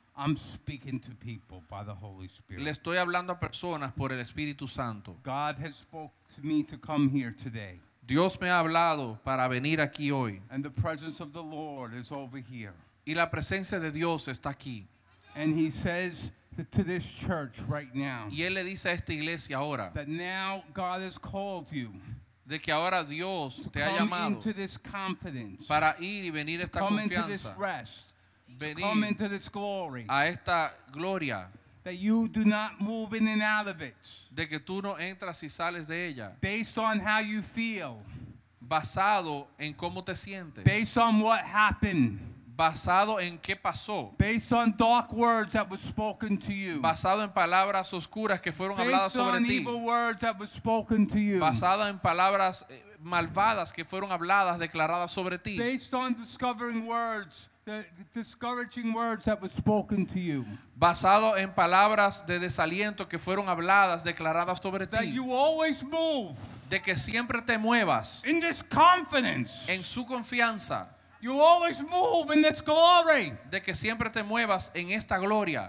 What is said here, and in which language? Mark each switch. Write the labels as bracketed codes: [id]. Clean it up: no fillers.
[en] I'm speaking to people by the Holy Spirit. [es] Le estoy hablando a personas por el Espíritu Santo. [en] God has spoken to me to come here today. [es] Dios me ha hablado para venir aquí hoy. [en] And the presence of the Lord is over here. [es] Y la presencia de Dios está aquí. [en] And he says to this church right now. [es] Y él le dice a esta iglesia ahora. [en] That now God has called you. [es] De que ahora Dios te ha llamado. [en] Come into this confidence. [es] Para ir y venir esta [en] come [es] confianza. [en] Into this rest. Come into this glory. [es] A esta gloria. [en] That you do not move in and out of it. [es] De que tú no entras y sales de ella. [en] Based on how you feel. [es] Basado en cómo te sientes. [en] Based on what happened. [es] Basado en qué pasó. [en] Based on dark words that were spoken to you. [es] Basado en palabras oscuras que fueron [en] based [es] habladas sobre [en] on [es] ti. [en] Evil words that were spoken to you. [es] Basado en palabras malvadas que fueron habladas, declaradas sobre ti. [en] Based on discovering words. The discouraging words that were spoken to you. [es] Basado en palabras de desaliento que fueron habladas, declaradas sobre ti. [en] That you always move. [es] De que siempre te muevas. [en] In this confidence. [es] En su confianza. [en] You always move in this glory. [es] De que siempre te muevas en esta gloria.